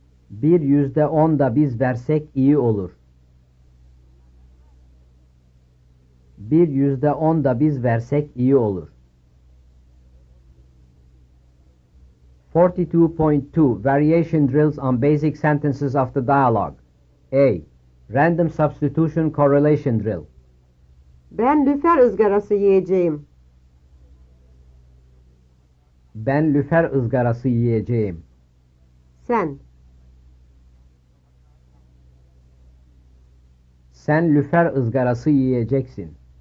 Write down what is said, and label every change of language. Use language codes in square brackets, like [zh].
[tr] Bir %10 da biz versek iyi olur. Bir %10 da biz versek iyi olur. [en] 42.2 Variation drills on basic sentences of the dialogue. A. Random substitution correlation drill. [tr] Ben lüfer ızgarası yiyeceğim. Ben lüfer ızgarası yiyeceğim. Sen. Sen lüfer ızgarası yiyeceksin.